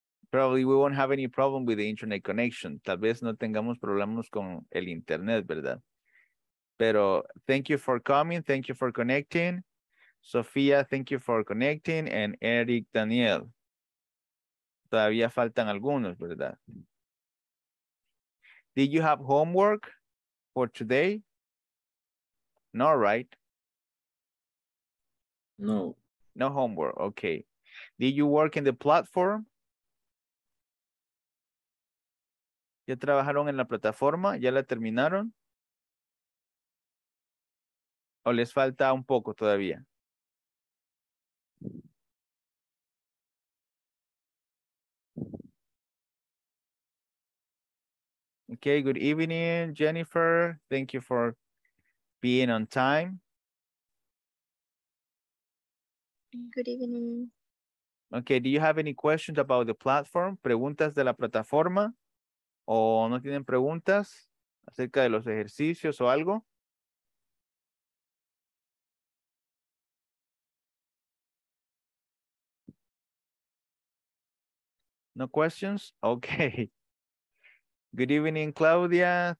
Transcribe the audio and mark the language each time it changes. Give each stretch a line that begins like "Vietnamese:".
English: Probably we won't have any problem with the internet connection.
Spanish: Tal vez no tengamos problemas con el internet, ¿verdad?
English: Pero thank you for coming. Thank you for connecting. Sofía, thank you for connecting.
Spanish: And Eric, Daniel. Todavía faltan algunos, ¿verdad?
English: Did you have homework for today? No, right? No. No homework. Okay. Did you work in the platform?
Spanish: ¿Ya trabajaron en la plataforma? ¿Ya la terminaron? ¿O les falta un poco todavía?
English: Okay, good evening, Jennifer. Thank you for being on time. Good evening. Okay, do you have any questions about the platform?
Spanish: ¿Preguntas de la plataforma? ¿O no tienen preguntas acerca de los ejercicios o algo?
English: No questions? Okay. Good evening, Claudia.